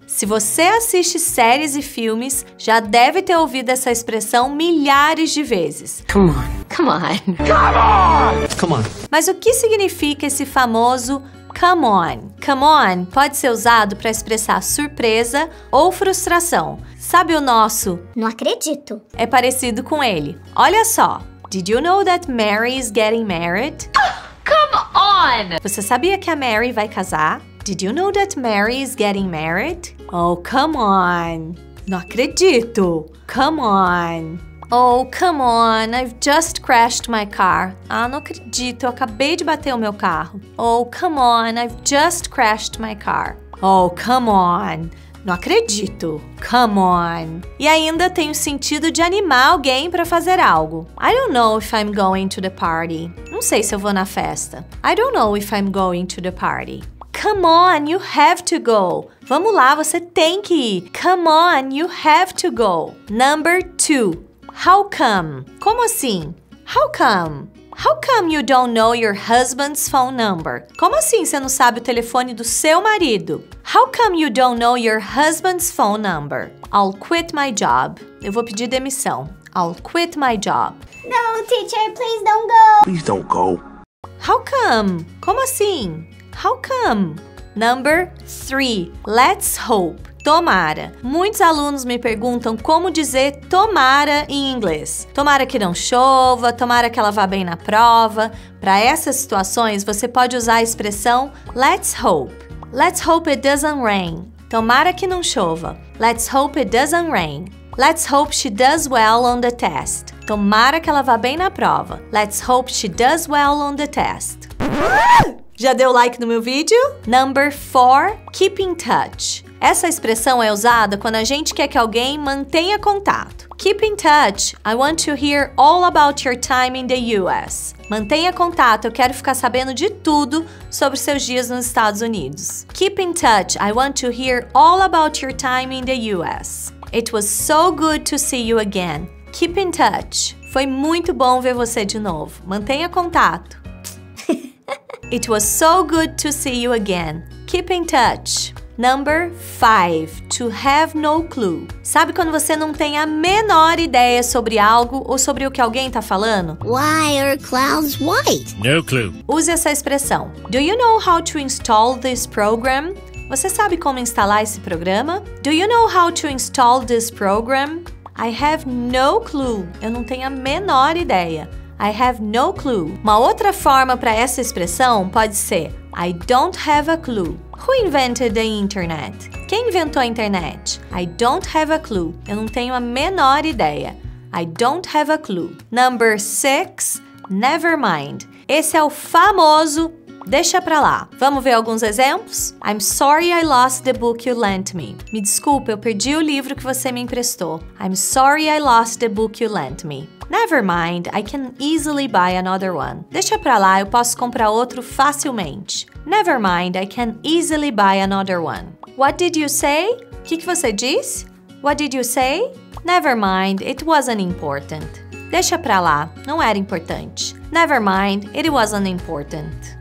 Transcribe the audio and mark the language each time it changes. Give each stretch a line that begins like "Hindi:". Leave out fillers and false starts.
Portuguese: Se você assiste séries e filmes, já deve ter ouvido essa expressão milhares de vezes.
English: Come on. Come on. Come on! Come on.
Portuguese: Mas o que significa esse famoso come on? Come on pode ser usado para expressar surpresa ou frustração. Sabe o nosso? Não acredito. É parecido com ele. Olha só.
English: Did you know that Mary is getting married? Come on!
Portuguese: Você sabia que a Mary vai casar?
English: Did you know that Mary is getting married? Oh, come on.
Portuguese: Não acredito.
English: Come on. Oh, come on. I've just crashed my car.
Portuguese: Ah, não acredito. Eu acabei de bater o meu carro.
English: Oh, come on. I've just crashed my car. Oh, come on.
Portuguese: Não acredito.
English: Come on.
Portuguese: E ainda tem o sentido de animar alguém para fazer algo.
English: I don't know if I'm going to the party.
Portuguese: Não sei se eu vou na festa.
English: I don't know if I'm going to the party. Come on, you have to go.
Portuguese: Vamos lá, você tem que ir.
English: Come on, you have to go. Number 2. How come?
Portuguese: Como assim?
English: How come? How come you don't know your husband's phone number?
Portuguese: Como assim você não sabe o telefone do seu marido?
English: How come you don't know your husband's phone number? I'll quit my job.
Portuguese: Eu vou pedir demissão.
English: I'll quit my job. No, teacher, please don't go. Please don't go. How come?
Portuguese: Como assim?
English: How come? Number 3. Let's hope. Tomara.
Portuguese: Muitos alunos me perguntam como dizer tomara em inglês. Tomara que não chova, tomara que ela vá bem na prova. Para essas situações, você pode usar a expressão let's hope.
English: Let's hope it doesn't rain.
Portuguese: Tomara que não chova.
English: Let's hope it doesn't rain. Let's hope she does well on the test.
Portuguese: Tomara que ela vá bem na prova.
English: Let's hope she does well on the test.
Portuguese: Já deu like no meu vídeo?
English: Number 4, keep in touch.
Portuguese: Essa expressão é usada quando a gente quer que alguém mantenha contato.
English: Keep in touch, I want to hear all about your time in the US.
Portuguese: Mantenha contato, eu quero ficar sabendo de tudo sobre seus dias nos Estados Unidos.
English: Keep in touch, I want to hear all about your time in the US. It was so good to see you again. Keep in touch.
Portuguese: Foi muito bom ver você de novo. Mantenha contato.
English: It was so good to see you again. Keep in touch. Number 5. To have no clue.
Portuguese: Sabe quando você não tem a menor ideia sobre algo ou sobre o que alguém tá falando?
English: Why are clouds white? No clue.
Portuguese: Use essa expressão.
English: Do you know how to install this program?
Portuguese: Você sabe como instalar esse programa?
English: Do you know how to install this program? I have no clue.
Portuguese: Eu não tenho a menor ideia.
English: I have no clue.
Portuguese: Uma outra forma para essa expressão pode ser I don't have a clue.
English: Who invented the internet?
Portuguese: Quem inventou a internet?
English: I don't have a clue.
Portuguese: Eu não tenho a menor ideia.
English: I don't have a clue. Number 6, never mind.
Portuguese: Esse é o famoso deixa pra lá. Vamos ver alguns exemplos?
English: I'm sorry I lost the book you lent me.
Portuguese: Me desculpe, eu perdi o livro que você me emprestou.
English: I'm sorry I lost the book you lent me. Never mind, I can easily buy another one.
Portuguese: Deixa pra lá, eu posso comprar outro facilmente.
English: Never mind, I can easily buy another one. What did you say?
Portuguese: Que você disse?
English: What did you say? Never mind, it wasn't important.
Portuguese: Deixa pra lá, não era importante.
English: Never mind, it wasn't important.